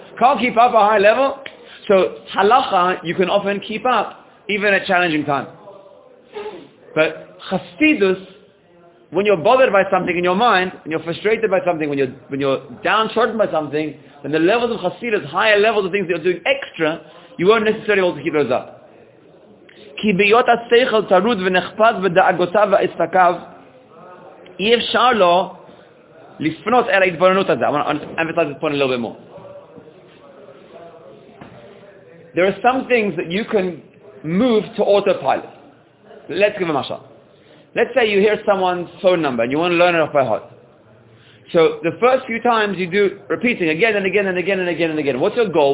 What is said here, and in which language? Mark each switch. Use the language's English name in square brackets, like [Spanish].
[English] Can't keep up a high level. So halacha, you can often keep up even at challenging times. But chassidus, when you're bothered by something in your mind, when you're frustrated by something, when you're downtrodden by something, then the levels of chassidus, higher levels of things that you're doing extra, you won't necessarily be able to keep those up. [Hebrew] כי ביות השכל תרוד ונחפז בדאגותיו ועסקיו, אי אפשר לו לפנות אל ההתבוננות הזה. [English] I'm going to emphasize this point a little bit more. There are some things that you can move to autopilot. Let's give a mashal. Let's say you hear someone's phone number and you want to learn it off by heart. So the first few times you do repeating again and again and again and again and again. What's your goal?